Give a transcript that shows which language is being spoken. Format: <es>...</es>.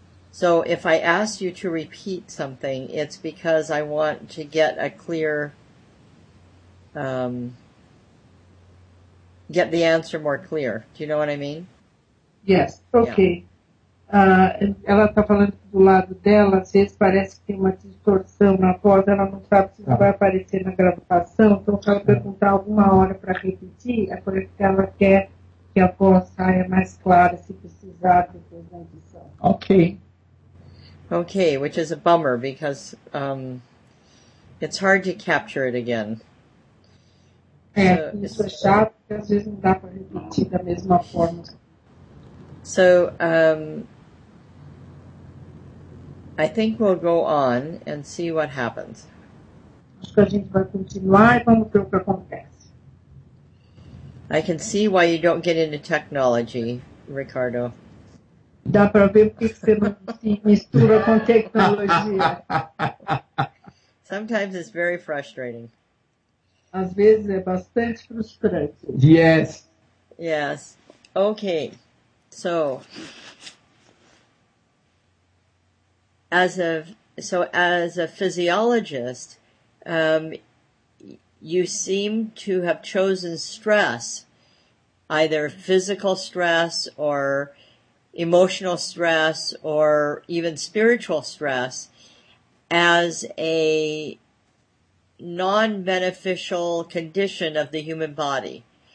<en>So if I ask you to repeat something, it's because I want to get a clear, get the answer more clear. Do you know what I mean? Yes, okay. Yeah.</en> <pt>Ela está falando que do lado dela, às vezes parece que tem uma distorção na voz, ela não sabe se isso vai aparecer na gravação, então se ela perguntar alguma hora para repetir, é por isso que ela quer que a voz saia mais clara, se precisar, depois da edição.</pt> <en>Okay, which is a bummer, because It's hard to capture it again.</en> <pt>Isso é chato, porque às vezes não dá para repetir da mesma forma.</pt> <en>So, I think we'll go on and see what happens.</en> <pt>Acho que a gente vai continuar e vamos ver o que acontece.</pt> <en>I can see why you don't get into technology, Ricardo.</en> <pt>Dá para ver porque você não se mistura com tecnologia.</pt> <en>Sometimes it's very frustrating.</en> <pt>Às vezes é bastante frustrante.</pt> <en>Yes. Yes. Okay. So, as a physiologist, you seem to have chosen stress, either physical stress or emotional stress or even spiritual stress, as a non-beneficial condition of the human body.</en>